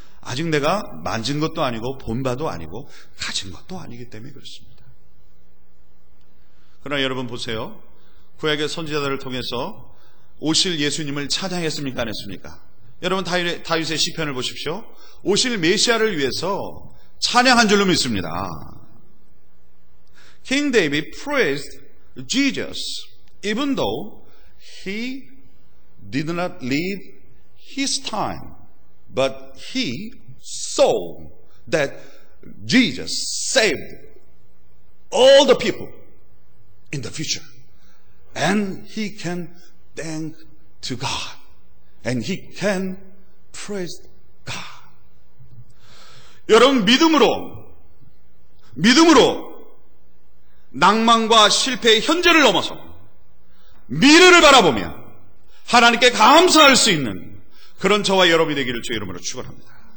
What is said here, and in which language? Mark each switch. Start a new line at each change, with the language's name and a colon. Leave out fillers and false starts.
Korean: 아직 내가 만진 것도 아니고 본바도 아니고 가진 것도 아니기 때문에 그렇습니다. 그러나 여러분 보세요. 구약의 선지자들을 통해서 오실 예수님을 찬양했습니까? 안 했습니까? 여러분 다윗의 시편을 보십시오. 오실 메시아를 위해서 찬양한 줄로 믿습니다.
English: King David praised Jesus even though he did not live his time, but he saw that Jesus saved all the people in the future, and he can thank to God, and he can praise God.
Korean: 여러분, 믿음으로 낭망과 실패의 현재를 넘어서 미래를 바라보며 하나님께 감사할 수 있는 그런 저와 여러분이 되기를 주의 이름으로 축원합니다.